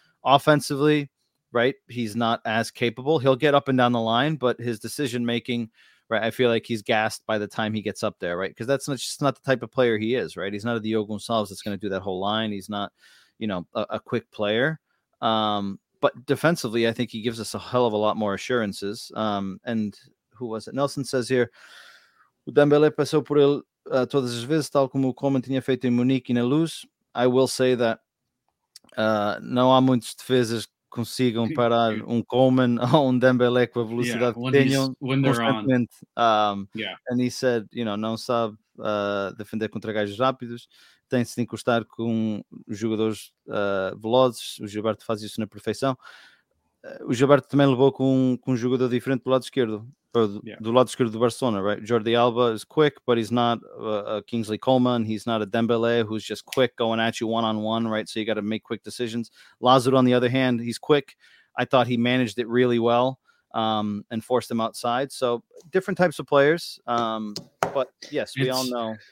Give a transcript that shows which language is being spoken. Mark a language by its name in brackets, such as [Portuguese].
[English] Offensively, right, he's not as capable. He'll get up and down the line, but his decision-making, right, I feel like he's gassed by the time he gets up there, right? Because that's just not the type of player he is, right? He's not a Diogo Gonçalves that's going to do that whole line. He's not, you know, a quick player. But defensively, I think he gives us a hell of a lot more assurances. And who was it? Nelson says here, [Portuguese] Dembélé passou por ele todas as vezes, tal como o Coman tinha feito em Munique e na Luz. [English] I will say that [Portuguese] não há muitos defesas que consigam parar Coman ou Dembélé com a velocidade que tenham constantemente. [English] And he said, you know, [Portuguese] não sabe defender contra gajos rápidos, tem-se de encostar com jogadores velozes, o Gilberto faz isso na perfeição. O Gilberto também levou com um jogador diferente do lado esquerdo. Do lado esquerdo do Barcelona, [English] right? Jordi Alba is quick, but he's not a Kingsley Coman. He's not a Dembélé who's just quick going at you one-on-one, right? So you got to make quick decisions. Lázaro, on the other hand, he's quick. I thought he managed it really well and forced him outside. So different types of players. But yes, we all know.